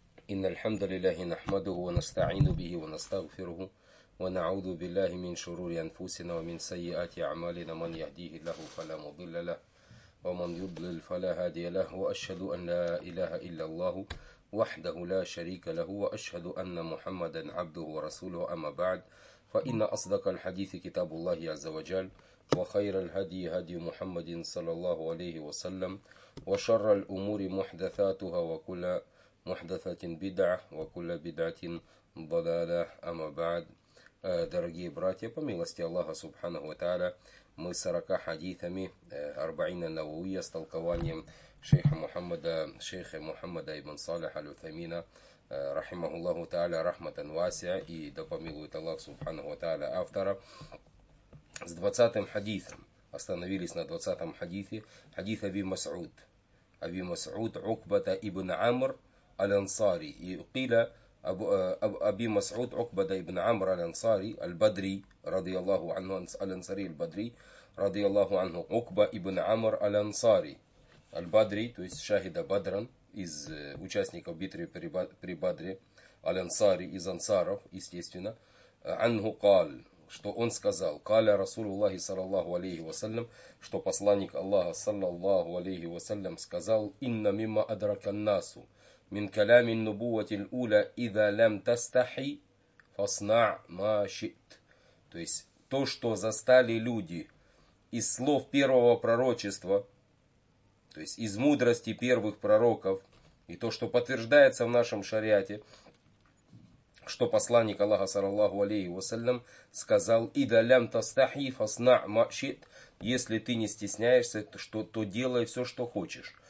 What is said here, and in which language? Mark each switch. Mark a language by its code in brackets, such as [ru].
[ar] إن الحمد لله نحمده ونستعين به ونستغفره ونعوذ بالله من شرور أنفسنا ومن سيئات أعمالنا، من يهديه الله فلا مضل له ومن يضلل فلا هادي له، وأشهد أن لا إله إلا الله وحده لا شريك له، وأشهد أن محمدا عبده ورسوله. أما بعد، فإن أصدق الحديث كتاب الله عز وجل، وخير الهدي هدي محمد صلى الله عليه وسلم، وشر الأمور محدثاتها، وكل محدثة بدعة، وكل بدعة ضلالة. أما بعد، [ru] дорогие братья, по милости Аллаха Субханаху ва Тааля, мы 40 хадисами, 40 навуи с толкованием шейха Мухаммада ибн Салиха аль-Утсаймина, рахимахуллаху тааля, рахматан васиа, и да помилует Аллах Субханаху ва Тааля автора, с 20-м хадисом. Остановились на 20-м хадисе, хадис Аби Масуд, Укбата ибн Амр аль-Ансари, и Кила [ar] أبي مسعود عقبة بن عمرو الأنصاري البدري رضي الله عنه، الأنصاري البدري رضي الله عنه، عقبة بن عمرو الأنصاري البدري [ru] то есть [ar] شاهد بدرا [ru] из участников битвы при Бадре, [ar] الأنصاري [ru] из ансаров естественно, [ar] عنه قال [ru] что он сказал، [ar] قال رسول الله صلى الله عليه وسلم [ru] что посланник Аллаха [ar] صلى الله عليه وسلم [ru] сказал [ar] إن مما أدرك الناس من كلام النبوة الأولى إذا لم تستحي فاصنع ما شئت. [ru] То есть то, что застали люди из слов первого пророчества, то есть из мудрости первых пророков, и то, что подтверждается в нашем шариате, что посланник Аллаха саллаллаху алейхи вассалям сказал [ar] إذا لم تستحي فاصنع ما شئت, [ru] если ты не стесняешься, то делай все, что хочешь.